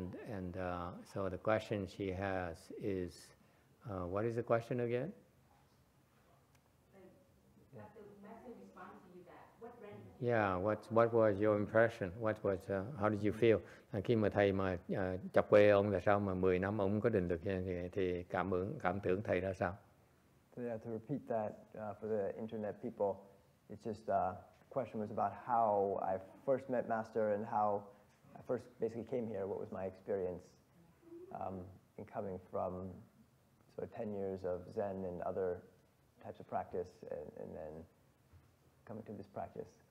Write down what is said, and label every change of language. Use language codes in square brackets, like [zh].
[en] And so the question she has is, what is the question again? After the message responds to you that, what rendered? Yeah, what was your impression? What was, how did you feel? [vi] Khi mà thầy mà chọc quê ông là sao mà 10 năm ông có định lực thì cảm tưởng thầy ra sao? [en] So yeah, to repeat that for the internet people, it's just the question was about how I first met Master and how I first basically came here. What was my experience in coming from sort of 10 years of Zen and other types of practice and then coming to this practice?